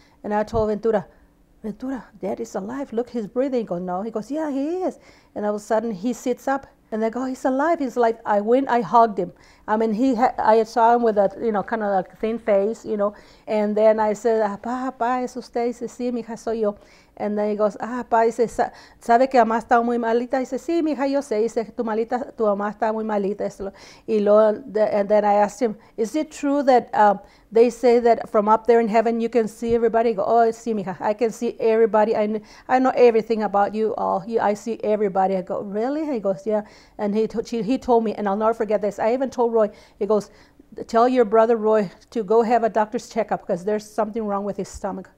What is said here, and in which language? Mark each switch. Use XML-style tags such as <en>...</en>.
<en>And I told Ventura, dad is alive. Look, he's breathing. He goes, "No." He goes, "Yeah, he is." And all of a sudden he sits up, and they go, "He's alive. He's alive." I went, I hugged him. I mean, I saw him with a, you know, kind of like thin face, you know. And then I said,</en> <es>"Papá, es usted, dice, sí, mija, soy yo."</es> <en>And then he goes,</en> <es>"Papá, dice, sabe que mamá está muy malita."</es> <en>He says,</en> <es>"Sí, mija, yo sé." He says, "Tu mamá está muy malita."</es> <en>And then I asked him, "Is it true that they say that from up there in heaven you can see everybody?" He goes,</en> <es>"Oh, sí, mija,</es> <en>I can see everybody. I know everything about you all. I see everybody." I go, "Really?" He goes, "Yeah." And he told me, and I'll never forget this. I even told Roy, he goes, "Tell your brother Roy to go have a doctor's checkup, because there's something wrong with his stomach."</en>